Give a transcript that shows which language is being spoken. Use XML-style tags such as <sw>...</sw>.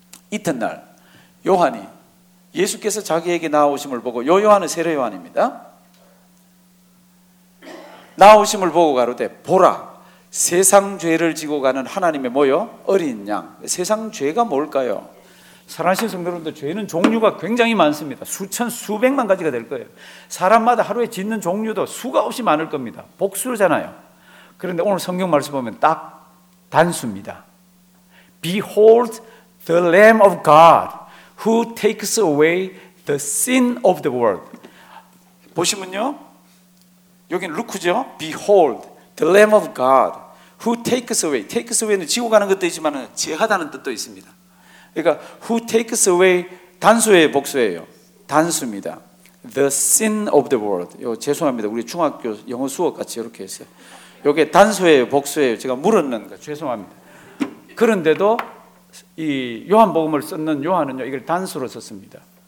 <ko>이튿날 요한이 예수께서 자기에게 나아오심을 보고, 요 요한은 세례요한입니다, 나아오심을 보고 가로되 보라, 세상 죄를 지고 가는 하나님의 뭐요? 어린 양. 세상 죄가 뭘까요? 사랑하신 성도 여러분들, 죄는 종류가 굉장히 많습니다. 수천 수백만 가지가 될 거예요. 사람마다 하루에 짓는 종류도 수가 없이 많을 겁니다. 복수잖아요. 그런데 오늘 성경 말씀 보면 딱 단수입니다.</ko> <en>Behold the Lamb of God who takes away the sin of the world.</en> <ko>보시면요, 여기는 루크죠.</ko> <en>Behold the Lamb of God who takes away.</en> <ko>Takes away는 지고 가는 것도 있지만 제하다는 뜻도 있습니다. 그러니까</ko> <en>who takes away</en> <ko>단수의 복수예요. 단수입니다.</ko> <en>The sin of the world.</en> <ko>요, 죄송합니다. 우리 중학교 영어 수업 같이 이렇게 했어요. 이게 단수예요, 복수예요. 제가 물었는 거 죄송합니다. 그런데도 이 요한복음을 썼는 요한은요, 이걸 단수로 썼습니다.</ko>